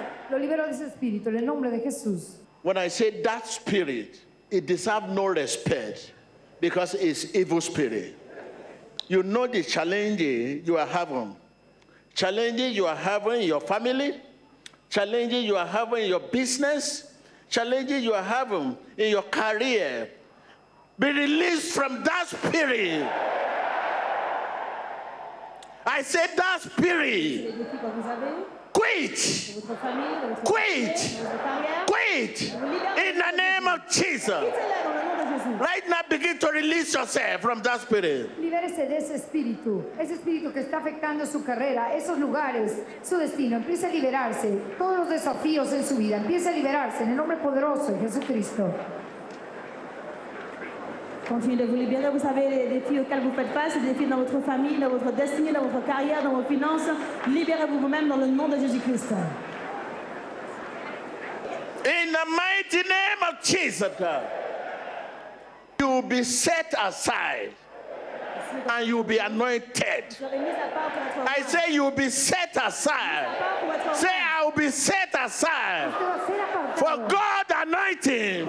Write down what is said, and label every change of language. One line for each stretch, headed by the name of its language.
Spanish: Lo libero de ese espíritu en el nombre de Jesús.
English: When I say that spirit, it deserves no respect because it's evil spirit. You know the challenge you are having. Challenge you are having in your family. Challenge you are having in your business. Challenge you are having in your career. Be released from that spirit. I said that spirit. Quit. Quit. Quit. In the name of Jesus. Right now, begin to release yourself from that spirit.
Spanish: Libérese de ese espíritu que está afectando su carrera, esos lugares, su destino. Empiece a liberarse, todos los desafíos en su vida. Empiece a liberarse en el nombre poderoso de Jesucristo.
French: Continuez de vous libérer, vous savez les défis auxquels vous faites face, les défis dans votre famille, dans votre destinée, dans votre carrière, dans vos finances. Libérez-vous vous-même dans le nom de Jésus-Christ.
English: In the mighty name of Jesus, you will be set aside and you will be anointed. I say you will be set aside. Say I will be set aside for God anointing.